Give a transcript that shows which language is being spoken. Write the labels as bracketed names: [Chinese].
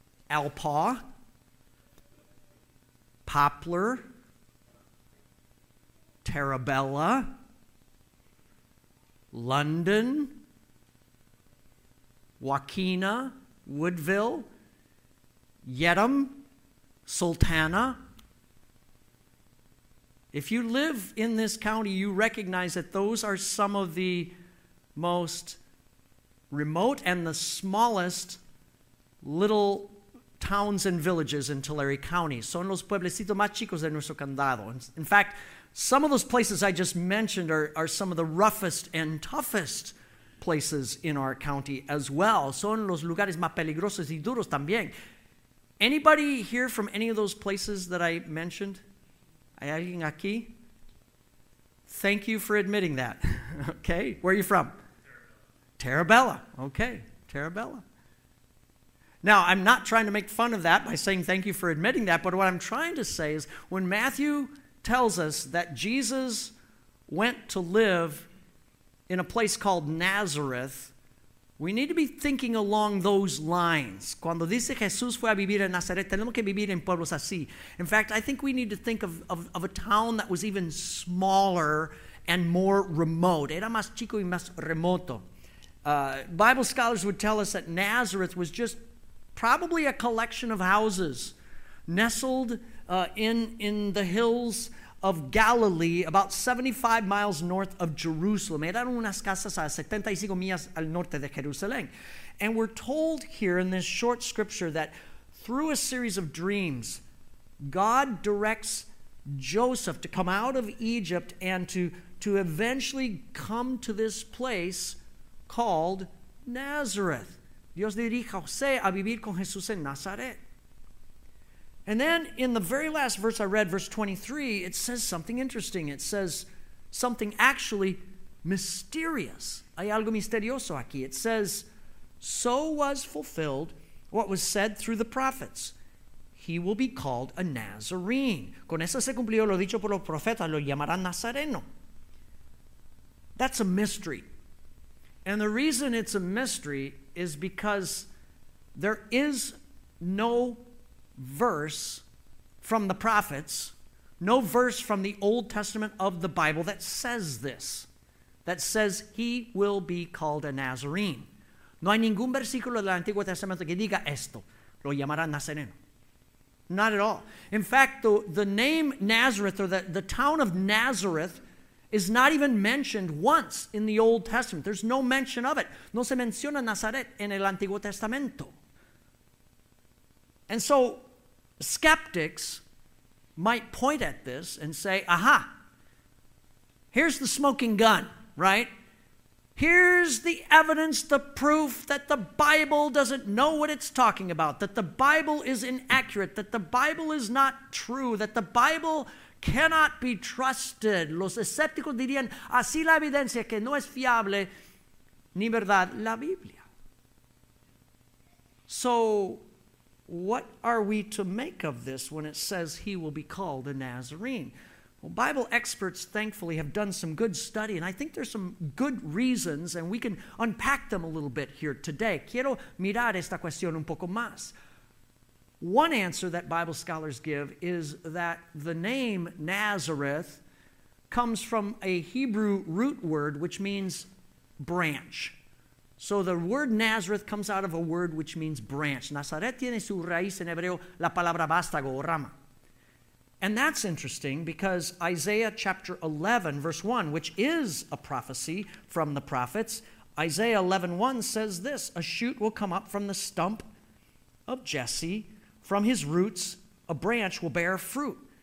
[English] Alpaw, poplar, Tarabella, London, Joaquina, Woodville, Yetham, Sultana. If you live in this county, you recognize that those are some of the most remote and the smallest little towns and villages in Tulare County. [Spanish] Son los pueblecitos más chicos de nuestro condado. [English] In fact, some of those places I just mentioned are some of the roughest and toughest places in our county as well. [Spanish] Son los lugares más peligrosos y duros también. [English] Anybody here from any of those places that I mentioned? [Spanish] ¿Hay alguien aquí? [English] Thank you for admitting that. Okay, where are you from? Tarabella. Okay, Tarabella. Now, I'm not trying to make fun of that by saying thank you for admitting that, but what I'm trying to say is when Matthew tells us that Jesus went to live in a place called Nazareth, we need to be thinking along those lines. [Spanish] Cuando dice Jesús fue a vivir en Nazaret, tenemos que vivir en pueblos así. [English] In fact, I think we need to think of a town that was even smaller and more remote. [Spanish] Era más chico y más remoto. [English] Bible scholars would tell us that Nazareth was just probably a collection of houses nestled in the hills of Galilee, about 75 miles north of Jerusalem. [Spanish] Eran unas casas a 75 millas al norte de Jerusalén. [English] And we're told here in this short scripture that through a series of dreams, God directs Joseph to come out of Egypt and to eventually come to this place called Nazareth. [Spanish] Dios dirige a José a vivir con Jesús en Nazaret. [English] And then in the very last verse I read, verse 23, it says something interesting. It says something actually mysterious. [Spanish] Hay algo misterioso aquí. [English] It says, so was fulfilled what was said through the prophets. He will be called a Nazarene. [Spanish] Con eso se cumplió lo dicho por los profetas, lo llamarán Nazareno. [English] That's a mystery. And the reason it's a mystery is because there is no verse from the prophets, no verse from the Old Testament of the Bible that says this, that says he will be called a Nazarene. [Spanish] No hay ningún versículo del Antiguo Testamento que diga esto, lo llamarán Nazareno. [English] Not at all. In fact, the name Nazareth or the town of Nazareth is not even mentioned once in the Old Testament. There's no mention of it. [Spanish] No se menciona Nazaret en el Antiguo Testamento. [English] And so, skeptics might point at this and say, aha, here's the smoking gun, right? Here's the evidence, the proof that the Bible doesn't know what it's talking about, that the Bible is inaccurate, that the Bible is not true, that the Bible cannot be trusted. [Spanish] Los escépticos dirían, así la evidencia que no es fiable ni verdad, la Biblia. [English] So, what are we to make of this when it says he will be called a Nazarene? Well, Bible experts, thankfully, have done some good study, and I think there's some good reasons, and we can unpack them a little bit here today. [Spanish] Quiero mirar esta cuestión un poco más. [English] One answer that Bible scholars give is that the name Nazareth comes from a Hebrew root word, which means branch. So the word Nazareth comes out of a word which means branch. [Spanish] Nazaret tiene su raíz en hebreo, la palabra vástago o rama. [English] And that's interesting because Isaiah chapter 11, verse 1, which is a prophecy from the prophets, Isaiah 11, 1 says this, a shoot will come up from the stump of Jesse, from his roots a branch will bear fruit.